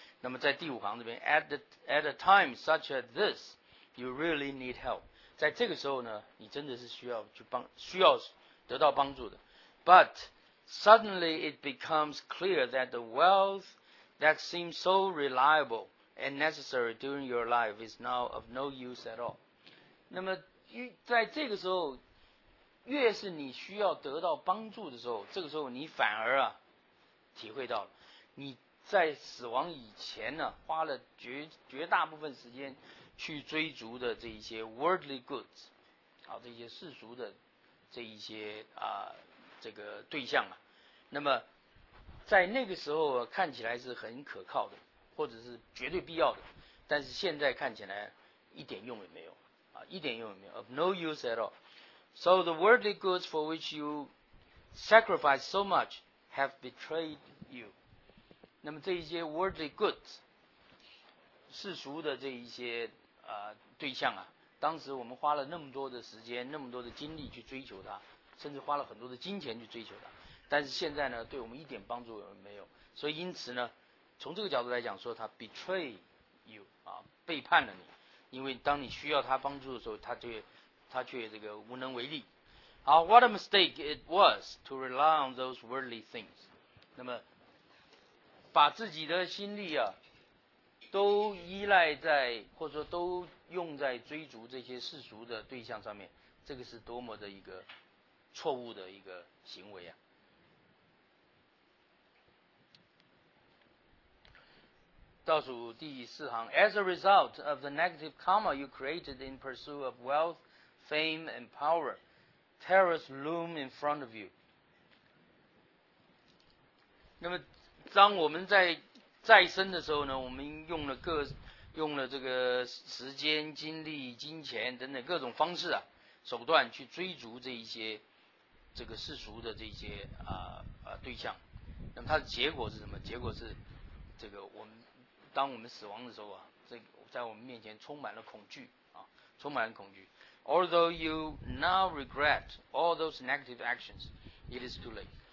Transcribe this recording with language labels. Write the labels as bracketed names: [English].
[Chinese] 那么在第五行这边 [English] ，at a time such as this, you really need help. [Chinese] 在这个时候呢，你真的是需要得到帮助的。 [English] But suddenly it becomes clear that the wealthThat seems so reliable and necessary during your life is now of no use at all. [Chinese] 那么在这个时候，越是你需要得到帮助的时候，这个时候你反而啊体会到了，你在死亡以前呢、啊，花了绝大部分时间去追逐的这一些 worldly goods， 啊，这些世俗的这一些这个对象啊，那么。在那个时候看起来是很可靠的，或者是绝对必要的，但是现在看起来一点用也没有啊，一点用也没有 ， [English] of no use at all. So the worldly goods for which you sacrifice so much have betrayed you. [Chinese] 那么这一些 worldly goods， 世俗的这一些对象啊，当时我们花了那么多的时间、那么多的精力去追求它，甚至花了很多的金钱去追求它。但是现在呢，对我们一点帮助也没有，所以因此呢，从这个角度来讲，说他 [English] betray you [Chinese] 啊，背叛了你，因为当你需要他帮助的时候，他却这个无能为力。 [English] 好 ，what a mistake it was to rely on those worldly things。 [Chinese] 那么，把自己的心力啊，都依赖在或者说都用在追逐这些世俗的对象上面，这个是多么的一个错误的一个行为啊！倒数第四行 [English] ，As a result of the negative karma you created in pursuit of wealth, fame, and power, terrors loom in front of you. [Chinese] 那么，当我们在生的时候呢，我们用了这个时间、精力、金钱等等各种方式啊、手段去追逐这一些这个世俗的这些对象，那么它的结果是什么？结果是这个我们。当我们死亡的时候啊，在我们面前充满了恐惧啊，充满了恐惧。 [English] Although you now regret all those negative actions, it is too late.